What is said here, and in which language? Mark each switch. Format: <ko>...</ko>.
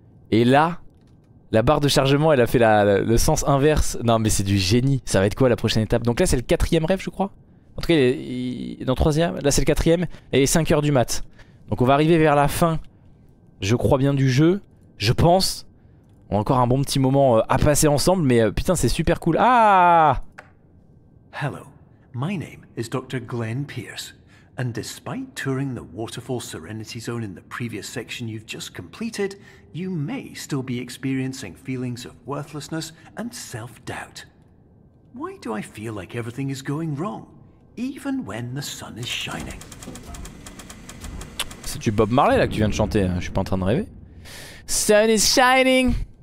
<fr>Et là, la barre de chargement, elle a fait le sens inverse. Non mais c'est du génie. Ça va être quoi la prochaine étape? Donc là c'est le quatrième rêve je crois. En tout cas, troisième. Là c'est le quatrième. Et 5h du mat. Donc on va arriver vers la fin, je crois bien, du jeu. Je pense. On a encore un bon petit moment à passer ensemble. Mais putain, c'est super cool. Ah.</fr> <en>Hello, my name is Dr. Glenn Pierce. And despite touring the Waterfall Serenity Zone in the previous section you've just completed, you may still be experiencing feelings of worthlessness and self-doubt. Why do I feel like everything is going wrong, even when the sun is shining?</en> <fr>C'est du Bob Marley là que tu viens de chanter, hein. Je suis pas en train de rêver.</fr> <en>Sun is shining!</en>